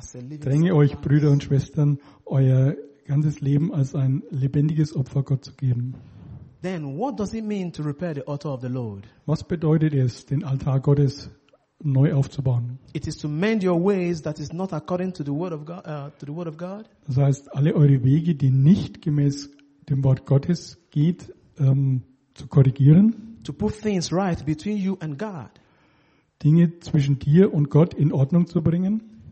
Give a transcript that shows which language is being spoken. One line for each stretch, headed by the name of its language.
German: Ich dränge euch, Brüder und Schwestern, euer ganzes Leben als ein lebendiges Opfer Gott zu geben.
English: Then what does it mean to repair the altar of the Lord?
German: Was bedeutet es, den Altar Gottes neu aufzubauen?
English: It is to mend your ways that is not according to the word of God.
German: Das heißt, alle eure Wege, die nicht gemäß dem Wort Gottes geht, zu korrigieren.
English: To put things right between you and God.
German: Dinge zwischen dir und Gott in Ordnung zu bringen.